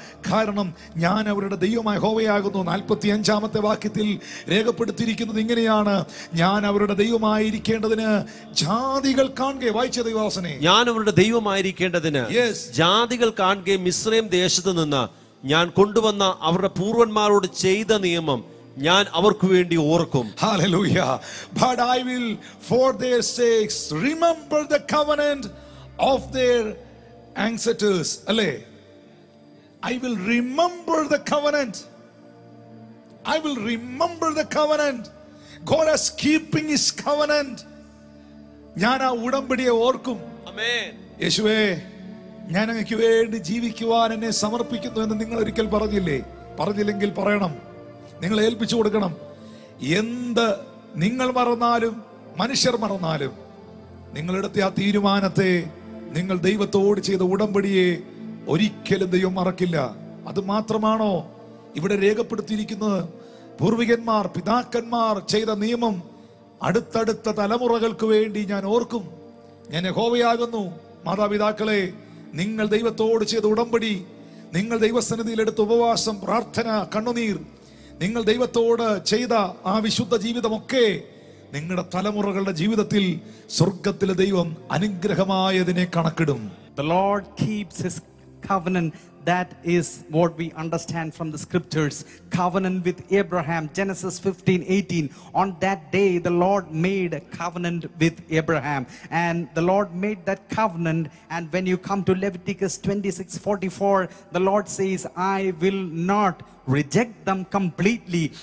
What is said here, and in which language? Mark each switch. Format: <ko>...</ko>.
<ml>കാരണം ഞാൻ അവരുടെ ദൈവമായ യഹോവയാകുന്നു. 45-ാമത്തെ വാക്യത്തിൽ രേഖപ്പെടുത്തിയിരിക്കുന്നത് ഇങ്ങനെയാണ്, ഞാൻ അവരുടെ ദൈവമായിരിക്കേണ്ടതിന് ജാതികൾ കാണുകയും, വായിച്ച ദൈവവാസനെ, ഞാൻ അവരുടെ ദൈവമായിരിക്കേണ്ടതിന് ജാതികൾ കാണുകയും, മിസ്രയീം ദേശത്തു നിന്ന് ഞാൻ കൊണ്ടുവന്ന അവരുടെ പൂർവന്മാരോട് ചെയ്ത നിയമം ഞാൻ അവർക്ക് വേണ്ടി ഓർക്കും.</ml> <en>Hallelujah. But I will for their sakes remember the covenant of their ancestors.</en> <ml>അല്ലേ,</ml> <en>I will remember the covenant. I will remember the covenant. God is keeping his covenant.</en> <ml>ഞാൻ ആ ഉടമ്പടിയെ ഓർക്കും.</ml> <en>Amen.</en> <ml>യേശുവേ, ഞാൻ അങ്ങയ്ക്ക് വേണ്ടി ജീവിക്കുവാൻ എന്നെ സമർപ്പിക്കുന്നു എന്ന് നിങ്ങൾ ഒരിക്കൽ പറഞ്ഞില്ലേ? പറഞ്ഞില്ലെങ്കിൽ പറയണം, നിങ്ങൾ ഏൽപ്പിച്ചു കൊടുക്കണം. എന്ത് നിങ്ങൾ മറന്നാലും മനുഷ്യർ മറന്നാലും നിങ്ങളെടുത്ത ആ തീരുമാനത്തെ, നിങ്ങൾ ദൈവത്തോട് ചെയ്ത ഉടമ്പടിയെ ഒരിക്കലും ദൈവം മറക്കില്ല. അത് മാത്രമാണോ ഇവിടെ രേഖപ്പെടുത്തിയിരിക്കുന്നത്? പൂർവികന്മാർ, പിതാക്കന്മാർ ചെയ്ത നിയമം അടുത്തടുത്ത തലമുറകൾക്ക് വേണ്ടി ഞാൻ ഓർക്കും. ഞാൻ യഹോവയാകുന്നു. മാതാപിതാക്കളെ, നിങ്ങൾ ദൈവത്തോട് ചെയ്ത ഉടമ്പടി, നിങ്ങൾ ദൈവസന്നിധിയിലെടുത്ത ഉപവാസം, പ്രാർത്ഥന, കണ്ണുനീർ, നിങ്ങൾ ദൈവത്തോട് ചെയ്ത ആ വിശുദ്ധ ജീവിതമൊക്കെ നിങ്ങളുടെ തലമുറകളുടെ ജീവിതത്തിൽ സ്വർഗത്തിലെ ദൈവം അനുഗ്രഹമായതിനെ കണക്കിടും.</ml> <en>The Lord keeps his covenant. That is what we understand from the scriptures. Covenant with Abraham, Genesis 15:18. On that day, the Lord made a covenant with Abraham. And the Lord made that covenant. And when you come to Leviticus 26:44, the Lord says, I will not reject them completely.</en>